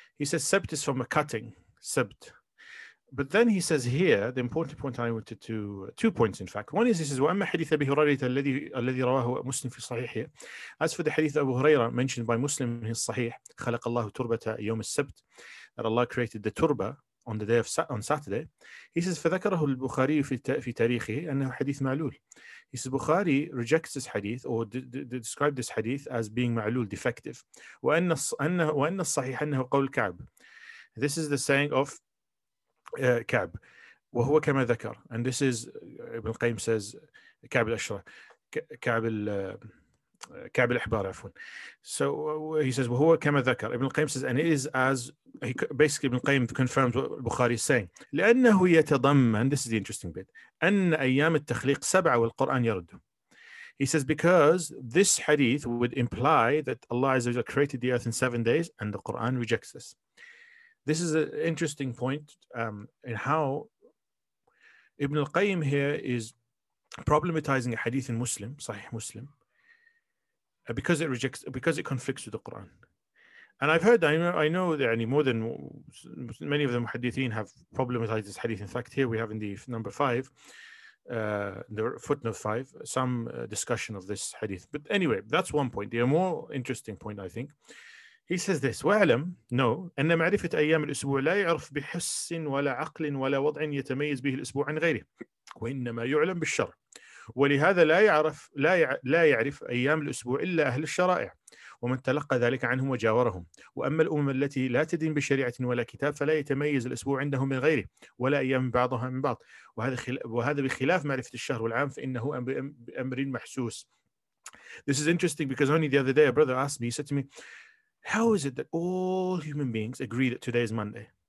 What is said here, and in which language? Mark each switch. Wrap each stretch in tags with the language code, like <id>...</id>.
<en>He says, Sabt is from a cutting, Sabt. But then he says here, the important point I wanted to, two points in fact. One is, he says,</en> <ar>وَأَمَّا حَدِيثَ أَبِي هُرَيْرَةَ الَّذِي رَوَاهُ مُسْلِمٌ فِي صَحِيحِهِ.</ar> <en>As for the hadith of Abu Huraira mentioned by Muslim in his Sahih,</en> <ar>خَلَقَ اللَّهُ تُرْبَةَ يَوْمِ السَّبْتِ,</ar> <en>that Allah created the turba on the day of on Saturday. He says,</en> <ar>فَذَكَرَهُ الْبُخَارِيُ فِي تَارِيخِهِ أَنَّهُ حَدِيثٌ مَعْلُولٌ.</ar> <en>He says, Bukhari rejects this hadith or described this hadith as being ma'lul, defective.</en> <ar>وَأَنَّ الصَّحِيحَ أَنَّهُ قَوْلُ كَعْبٍ.</ar> <en>This is the saying of Ka'b,</en> <ar>وهو كما ذكر,</ar> <en>and this is Ibn Qayyim says Ka'b al-Ashra, Ka'b al-Ahbar, عفوًا. So he says</en> <ar>وهو كما ذكر.</ar> <en>Ibn Qayyim says, and it is as he basically, Ibn Qayyim confirms what Bukhari is saying.</en> <ar>لأنه يتضمن,</ar> <en>this is the interesting bit,</en> <ar>أن أيام التخليق سبعة والقرآن يرد.</ar> <en>He says because this hadith would imply that Allah Azza wa Jalla created the earth in 7 days, and the Quran rejects this. This is an interesting point in how Ibn al-Qayyim here is problematizing a hadith in Muslim, Sahih Muslim, because it conflicts with the Quran. And I've heard, I know that more than many of the muhaddithin have problematized this hadith. In fact, here we have in the number five, the footnote five, some discussion of this hadith. But anyway, that's one point. The more interesting point, I think, he says this,</en> <ar>وَعْلَمْ نَوْ أَنَّ مَعْرِفَةَ أَيَّامِ الْأَسْبُوعِ لَا يَعْرَفْ بِحِسٍ وَلَا عَقْلٍ وَلَا وَضْعٍ يَتَمَيِّزْ بِهِ الْأَسْبُوعِ عَنْ غَيْرِهِ وَإِنَّمَا يُعْلَمْ بِالشَّرْعِ ولهذا لا يعرف أيام الأسبوع إلا أهل الشرائع ومن تلقى ذلك عنهم وجاورهم وأما الأمم التي لا تدين بشريعة ولا كتاب فلا يتميز الأسبوع عندهم من غيره ولا أيام بعضها من بعض وهذا بخلاف معرفة الشهر والعام فإنه أمر محسوس.</ar> <en>This is interesting because only the other day a brother asked me, he said to me, how is it that all human beings agree that today is Monday?</en>